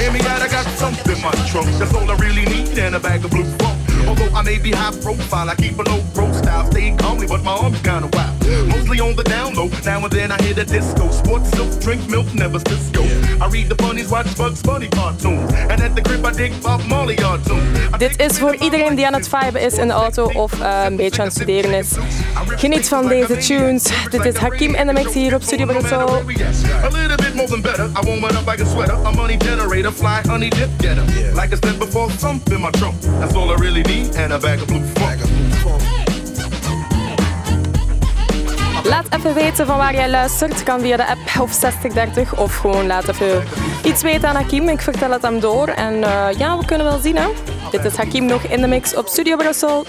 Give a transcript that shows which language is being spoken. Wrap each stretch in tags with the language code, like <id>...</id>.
<en>Hear me out, I got something in my trunk. That's all I really need in a bag of blue funk. Although I may be high profile, I keep a low pro style. Stay calmly, but my arms kinda wild. Mostly on the down low, now and then I hit a disco. Sports silk, drink milk, never Cisco. I read the funnies, watch Bugs Bunny cartoons. And at the crib I dig Bob Marley cartoon.</en> <nl>Dit is voor iedereen die aan het vibe is in de auto of een beetje aan het studeren is. Geniet van deze tunes. Dit is Hakimm in de mix hier op Studio Brussel.</nl> <en>A little bit more than better. I warm it up like a sweater. A money generator, fly honey dip getter. Like I said before, thump in my trunk. That's all I really need and a bag of blue funk.</en> <nl>Laat even weten van waar jij luistert. Kan via de app of 6030 of gewoon laat even iets weten aan Hakimm. Ik vertel het hem door en we kunnen wel zien. Hè? Dit is Hakimm nog in de mix op Studio Brussel.</nl>